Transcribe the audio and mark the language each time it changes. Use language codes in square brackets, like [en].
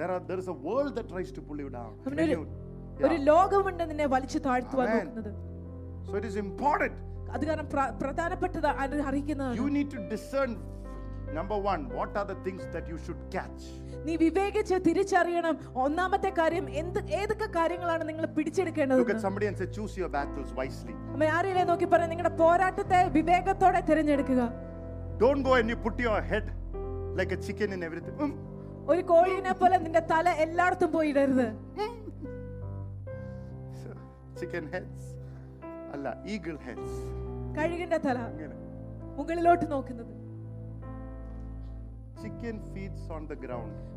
[en] There is a world that tries to pull you down. [ml] ഒരു ലോകമുണ്ട് നിന്നെ വലിച്ചു താഴ്ത്തുവാൻ നോക്കുന്നത്. [en] So it is important. [ml] അത് കാരണം പ്രധാനപ്പെട്ടത് അറിയിക്കുന്നത്. [en] You need to discern, number one, what are the things that you should catch. [ml] നീ വിവേകിച്ച് തിരിച്ചറിയണം ഒന്നാമത്തെ കാര്യം ഏതൊക്കെ കാര്യങ്ങളാണ് നിങ്ങൾ പിടിച്ചെടുക്കേണ്ടത്. [en] Look at somebody and say, choose your battles wisely. [ml] മേയാരിലേ നോക്കി പറ നിങ്ങളുടെ പോരാട്ടത്തെ വിവേകത്തോടെ തിരഞ്ഞെടുക്കുക. [en] Don't go and you put your head like a chicken in everything. [ml] ഒരു കോഴിനെ പോലെ നിന്റെ തല എല്ലായിടത്തും പോയി ഇടരുത്. [en] Chicken heads, [ml] alla [en] eagle heads. [ml] കഴുകന്റെ തല മുകളിലോട്ട് നോക്കുന്നത്. [en] Chicken feeds on the ground.